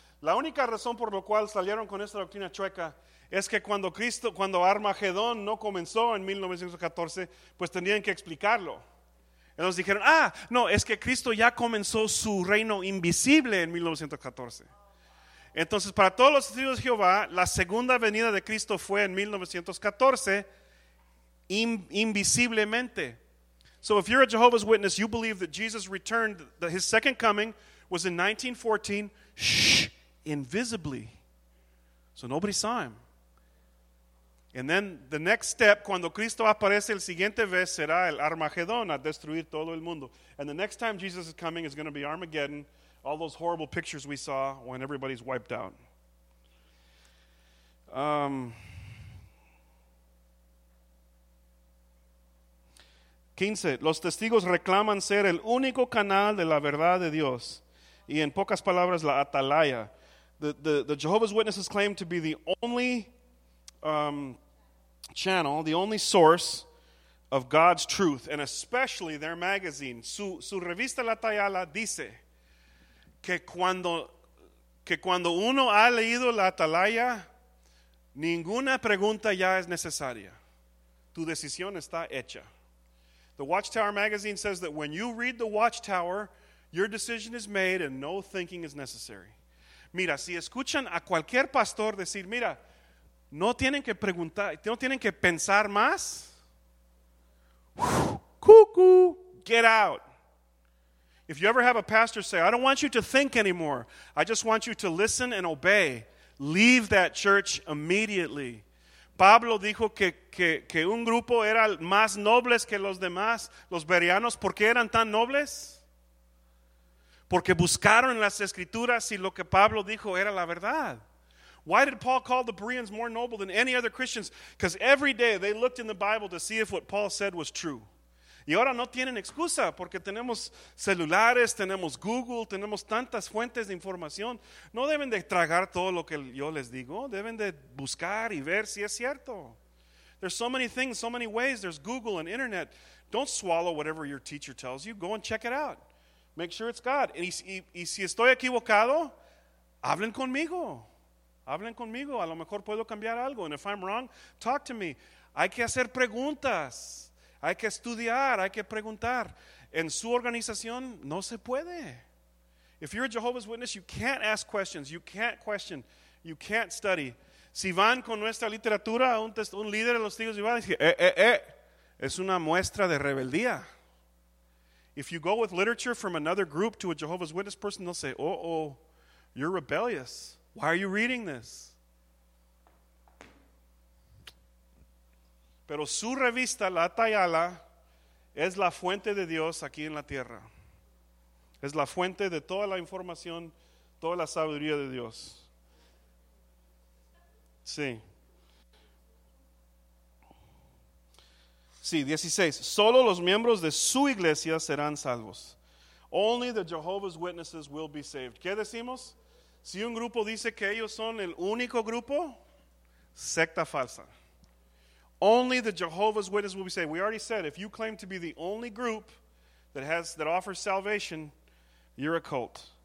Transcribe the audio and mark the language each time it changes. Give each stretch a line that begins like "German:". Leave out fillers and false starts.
Spanish: La única razón por la cual salieron con esta doctrina chueca es que cuando Armagedón no comenzó en 1914, pues tendrían que explicarlo. Entonces dijeron, no, es que Cristo ya comenzó su reino invisible en 1914. Entonces, para todos los testigos de Jehová, la segunda venida de Cristo fue en 1914, invisiblemente.
English: So if you're a Jehovah's Witness, you believe that Jesus returned, that his second coming was in 1914, invisibly. So nobody saw him. And then the next step,
Spanish: cuando Cristo aparece el siguiente vez, será el Armagedón, a destruir todo el mundo.
English: And the next time Jesus is coming is going to be Armageddon, all those horrible pictures we saw when everybody's wiped out.
Spanish: Quince, los testigos reclaman ser el único canal de la verdad de Dios. Y en pocas palabras, la atalaya.
English: The Jehovah's Witnesses claim to be the only channel, the only source of God's truth, and especially their magazine.
Spanish: Su revista La Atalaya dice que cuando uno ha leído La Atalaya, ninguna pregunta ya es necesaria. Tu decisión está hecha.
English: The Watchtower magazine says that when you read The Watchtower, your decision is made and no thinking is necessary.
Spanish: Mira, si escuchan a cualquier pastor decir, mira, no tienen que preguntar, no tienen que pensar más.
English: Cuckoo, get out. If you ever have a pastor say, I don't want you to think anymore. I just want you to listen and obey. Leave that church immediately.
Spanish: Pablo dijo que un grupo era más nobles que los demás, los Bereanos. ¿Por qué eran tan nobles? Porque buscaron en las Escrituras si lo que Pablo dijo era la verdad.
English: Why did Paul call the Bereans more noble than any other Christians? Because every day they looked in the Bible to see if what Paul said was true.
Spanish: Y ahora no tienen excusa porque tenemos celulares, tenemos Google, tenemos tantas fuentes de información. No deben de tragar todo lo que yo les digo. Deben de buscar y ver si es cierto.
English: There's so many things, so many ways. There's Google and Internet. Don't swallow whatever your teacher tells you. Go and check it out. Make sure it's God.
Spanish: Y si estoy equivocado, hablen conmigo. Hablen conmigo. A lo mejor puedo cambiar algo.
English: And if I'm wrong, talk to me.
Spanish: Hay que hacer preguntas. Hay que estudiar, hay que preguntar. En su organización, no se puede.
English: If you're a Jehovah's Witness, you can't ask questions. You can't question. You can't study.
Spanish: Si van con nuestra literatura, un líder de los tíos, va a decir, es una muestra de rebeldía.
English: If you go with literature from another group to a Jehovah's Witness person, they'll say, oh, you're rebellious. Why are you reading this?
Spanish: Pero su revista, la Atayala, es la fuente de Dios aquí en la tierra. Es la fuente de toda la información, toda la sabiduría de Dios. Sí. Sí, 16. Solo los miembros de su iglesia serán salvos.
English: Only the Jehovah's Witnesses will be saved.
Spanish: ¿Qué decimos? Si un grupo dice que ellos son el único grupo, secta falsa.
English: Only the Jehovah's Witnesses will be saved. We already said, if you claim to be the only group that offers salvation, you're a cult.